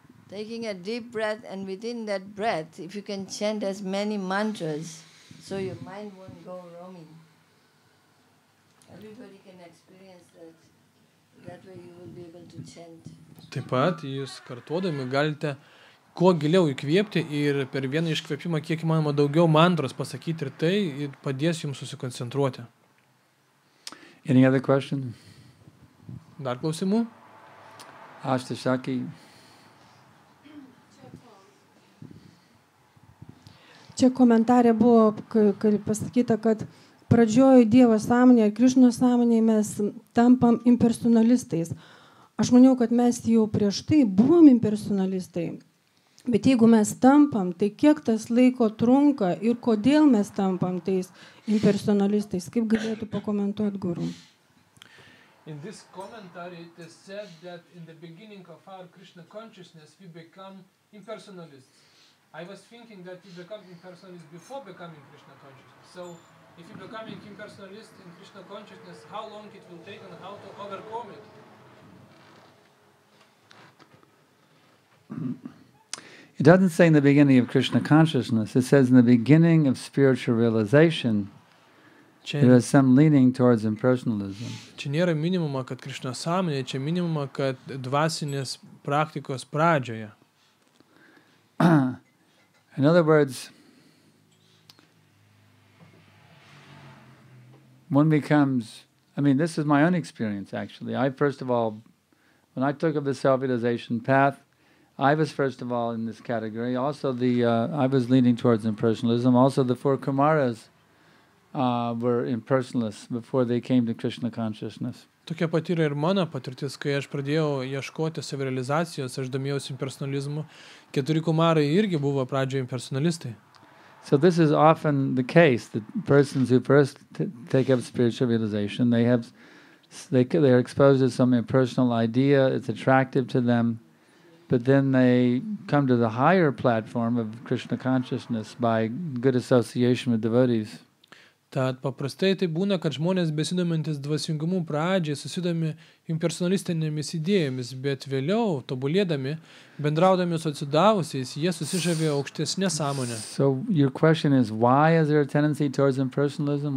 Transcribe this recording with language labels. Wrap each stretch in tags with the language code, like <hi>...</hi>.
<en>Taking a deep breath, and within that breath, if you can chant as many mantras, so your mind won't go roaming. Everybody can experience that. That way you will be able to chant.</en> <lt>Taip pat, jūs kartuodami galite kuo giliau įkvėpti ir per vieną iškvėpimą kiek įmanoma daugiau mantras pasakyti ir tai padės jums susikoncentruoti.</lt> <en>Any other question?</en> <lt>Dar klausimų? Aš tiesiogiai. Čia komentarė buvo, kai pasakyta, kad pradžioje Dievo sąmonėje ir Krišno sąmonėje mes tampam impersonalistais. Aš maniau, kad mes jau prieš tai buvom impersonalistai. Bet jeigu mes tampam, tai kiek tas laiko trunka ir kodėl mes tampam tais impersonalistais? Kaip galėtų pakomentuoti, guru?</lt> <en>In this commentary, it is said that in the beginning of our Krishna consciousness, we become impersonalists. I was thinking that you become impersonalist before becoming Krishna consciousness. So, if you become impersonalist in Krishna consciousness, how long it will take and how to overcome it? It doesn't say in the beginning of Krishna consciousness. It says in the beginning of spiritual realization, there is some leaning towards impersonalism.</en> <lt>Čia nėra minimuma, kad Krishna sąmonė, čia minimuma, kad dvasinės praktikos pradžioje.</lt> <en>In other words, one becomes, I mean, this is my own experience, actually. I, first of all, when I took up the self-realization path, I was, first of all, in this category. Also, I was leaning towards impersonalism. Also, the four Kumaras were impersonalists before they came to Krishna consciousness.</en> <lt>Tokia patyra ir mano patirtis, kai aš pradėjau ieškoti savirealizacijos, aš domėjausi impersonalizmu, keturi kumarai irgi buvo pradžioje impersonalistai.</lt> <en>So this is often the case that persons who first take up spiritual realization, they are exposed to some impersonal idea, it's attractive to them, but then they come to the higher platform of Krishna consciousness by good association with devotees.</en> <lt>Tad paprastai tai būna, kad žmonės besidomintis dvasingumų pradžiai susidomi impersonalistinėmis idėjomis, bet vėliau, tobulėdami, bendraudami su atsidavusiais, jie susižavė aukštesnė sąmonė.</lt> <en>So your question is, why is there a tendency towards impersonalism?</en>